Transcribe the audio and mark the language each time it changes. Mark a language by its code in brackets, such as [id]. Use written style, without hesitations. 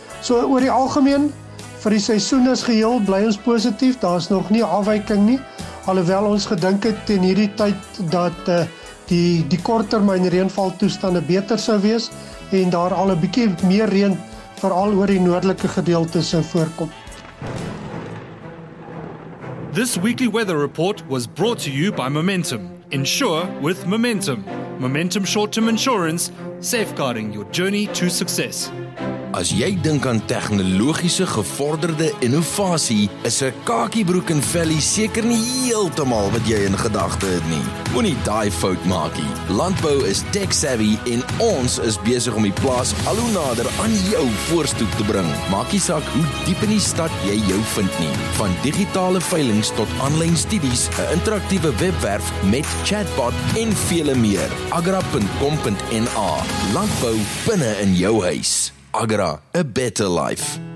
[af] So oor die algemeen, vir die seisoen as geheel, bly ons positief. Daar is nog nie afwyking nie. Alhoewel ons gedink het ten hierdie tyd dat die korttermyn reënvaltoestande beter sou wees en daar al 'n bietjie meer reën veral oor die noordelike gedeeltes sou voorkom. [en] This weekly weather report was brought to you by Momentum. Insure with Momentum. Momentum short-term insurance safeguarding your journey to success. [af] As jy dink aan tegnologiese gevorderde innovasie, is 'n kakiebroek en velly seker nie heeltemal wat jy in gedagte het nie. Moenie daai fout maak nie. Landbou is tech-savvy en ons is besig om die plaas al hoe nader aan jou voorstoep te bring. Maak nie saak hoe diep in die stad jy jou vind nie. Van digitale veilings tot aanlyn studies, 'n interaktiewe webwerf met chatbot en vele meer. agra.com.na. Landbou binne in jou huis. [en] Agra, a better life.